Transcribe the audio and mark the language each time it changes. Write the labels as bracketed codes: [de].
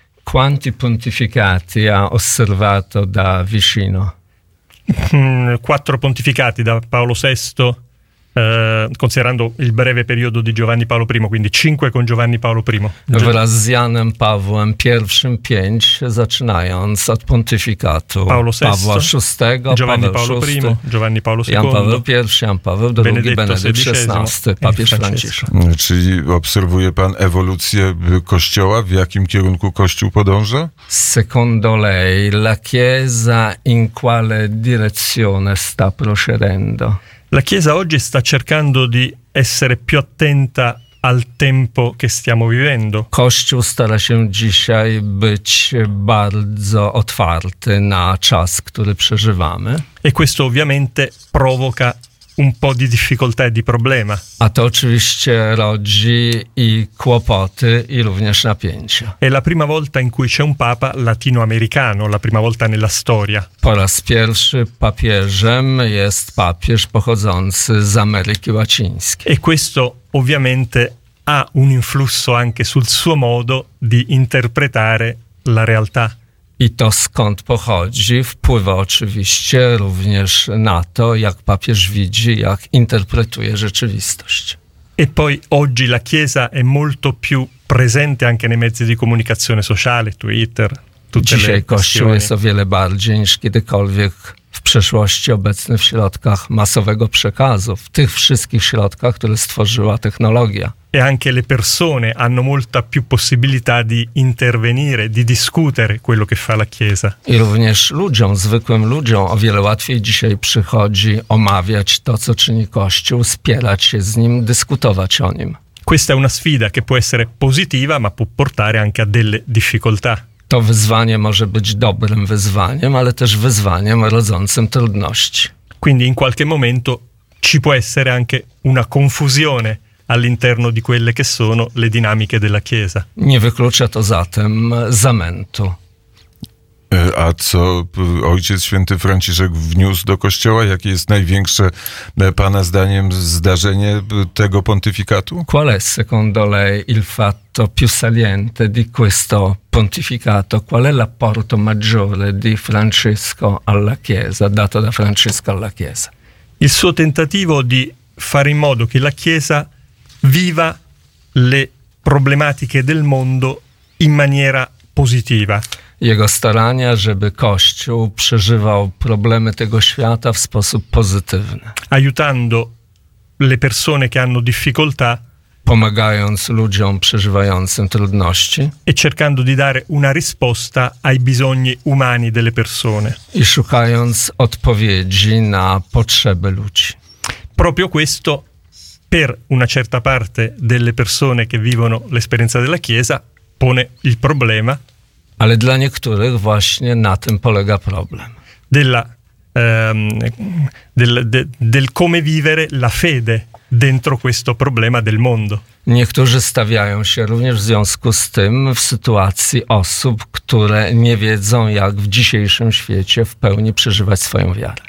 [it] Quanti pontificati ha osservato da vicino? Quattro pontificati da Paolo VI, considerando il breve periodo di Giovanni Paolo I, quindi cinque con Giovanni Paolo I. [pl] Wraz z Janem Pawłem I, pięć, zaczynając od pontyfikatu [it] Paolo VI, [pl] Pawła VI, [it] Giovanni Paolo I, Giovanni Paolo II, [pl] Jan Paweł I, Jan Paweł II, Benedykt XVI, papież Franciszek. Czyli obserwuje pan ewolucję Kościoła, w jakim kierunku Kościół podąża? [it] Secondo lei, la Chiesa in quale direzione sta procedendo? La Chiesa oggi sta cercando di essere più attenta al tempo che stiamo vivendo. [pl] Kościół stara się dzisiaj być bardzo otwarty na czas, który przeżywamy. [it] E questo ovviamente provoca un po' di difficoltà e di problema. [pl] A to oczywiście rodzi i kłopoty, i również napięcia. [it] È la prima volta in cui c'è un papa latinoamericano, la prima volta nella storia. [pl] Po raz pierwszy papieżem jest papież pochodzący z Ameryki Łacińskiej. [it] E questo ovviamente ha un influsso anche sul suo modo di interpretare la realtà. [pl] I to skąd pochodzi, wpływa oczywiście również na to, jak papież widzi, jak interpretuje rzeczywistość. [it] E poi oggi la Chiesa è molto più presente anche nei mezzi di comunicazione sociale, Twitter, tutte [pl] dzisiaj [it] le questioni. [pl] Kościół jest o wiele bardziej niż kiedykolwiek w przeszłości obecny w środkach masowego przekazu, w tych wszystkich środkach, które stworzyła technologia. [it] E anche le persone hanno molta più possibilità di intervenire, di discutere quello che fa la Chiesa. [pl] I również ludziom, zwykłym ludziom, o wiele łatwiej dzisiaj przychodzi omawiać to, co czyni Kościół, spierać się z nim, dyskutować o nim. [it] Questa è una sfida che può essere positiva, ma può portare anche a delle difficoltà. [pl] To wyzwanie może być dobrym wyzwaniem, ale też wyzwaniem rodzącym trudności. [it] Quindi in qualche momento ci può essere anche una confusione all'interno di quelle che sono le dinamiche della Chiesa. [pl] Nie wyklucza to zatem zamętu. A co Ojciec Święty Franciszek wniósł do Kościoła? Jakie jest największe, pana zdaniem, zdarzenie tego pontyfikatu? [it] Qual è secondo lei il fatto più saliente di questo pontificato? Qual è l'apporto maggiore di Francesco alla Chiesa, dato da Francesco alla Chiesa? Il suo tentativo di fare in modo che la Chiesa viva le problematiche del mondo in maniera positiva. [pl] Jego starania, żeby Kościół przeżywał problemy tego świata w sposób pozytywny. [it] Aiutando le persone che hanno difficoltà. [pl] Pomagając ludziom przeżywającym trudności. [it] E cercando di dare una risposta ai bisogni umani delle persone. [pl] I szukając odpowiedzi na potrzeby ludzi. [it] proprio questo, per una certa parte delle persone che vivono l'esperienza della Chiesa, pone il problema. [pl] Ale dla niektórych właśnie na tym polega problem. [it] Del come vivere la fede dentro questo problema del mondo. [pl] Niektórzy stawiają się również w związku z tym w sytuacji osób, które nie wiedzą, jak w dzisiejszym świecie w pełni przeżywać swoją wiarę.